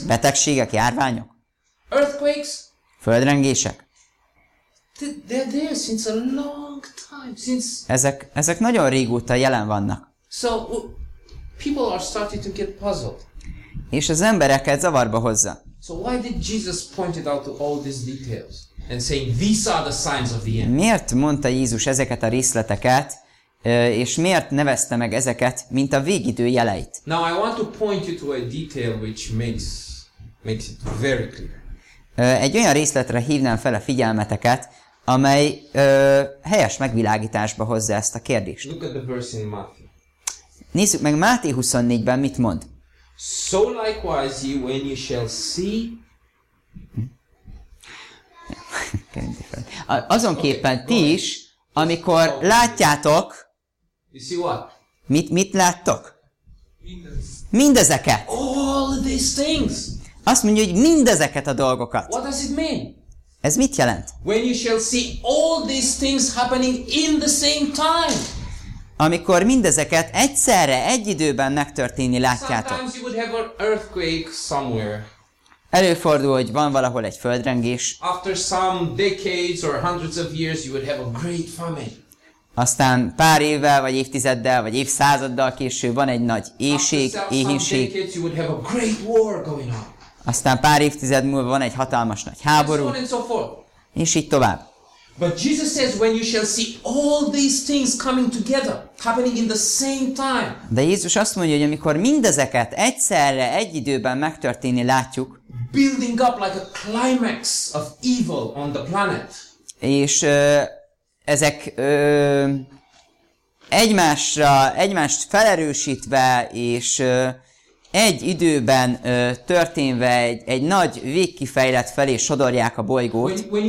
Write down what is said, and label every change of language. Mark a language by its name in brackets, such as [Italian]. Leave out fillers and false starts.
[Hungarian] Betegségek, járványok. [English] Earthquakes. [Hungarian] Földrengések. [English] They're there since a long time. Since. [Hungarian] Ezek nagyon régóta jelen vannak. [English] So people are starting to get puzzled. [Hungarian] És az embereket zavarba hozza. [English] So why did Jesus point it out to all these details and say these are the signs of the end? [Hungarian] Miért mondta Jézus ezeket a részleteket, és miért nevezte meg ezeket, mint a végidő jeleit? [English] Now I want to point you to a detail which makes it very clear. [Hungarian] Egy olyan részletre hívnám fel a figyelmeteket, amely helyes megvilágításba hozza ezt a kérdést. [English] Look at the verse in Matthew. [Hungarian] Nézzük meg Máté 24-ben mit mond. [English] So likewise ye when you shall see. [Hungarian] Azonképpen okay, ti is, amikor látjátok. [English] You see what? [Hungarian] Mit láttok? Mindezeket. [English] All these things. [Hungarian] Azt mondja, hogy mindezeket a dolgokat. [English] What does it mean? [Hungarian] Ez mit jelent? [English] When you shall see all these things happening in the same time. [Hungarian] Amikor mindezeket egyszerre, egy időben megtörténni látjátok. [English] Sometimes you would have an earthquake somewhere. [Hungarian] Előfordul, hogy van valahol egy földrengés. [English] After some decades or hundreds of years, you would have a great famine. [Hungarian] Aztán pár évvel, vagy évtizeddel, vagy évszázaddal később van egy nagy éhség, éhínség. [English] After some decades, you would have a great war going on. [Hungarian] Aztán pár évtized múlva van egy hatalmas nagy háború. [English] And so on and so forth. [Hungarian] És így tovább. [English] But Jesus says when you shall see all these things coming together happening in the same time. [Hungarian] De Jézus azt mondja, hogy amikor mindezeket egyszerre egy időben megtörténni látjuk, [English] building up like a climax of evil on the planet. [Hungarian] És ezek egymást felerősítve és egy időben történve egy nagy végkifejlet felé sodorják a bolygót.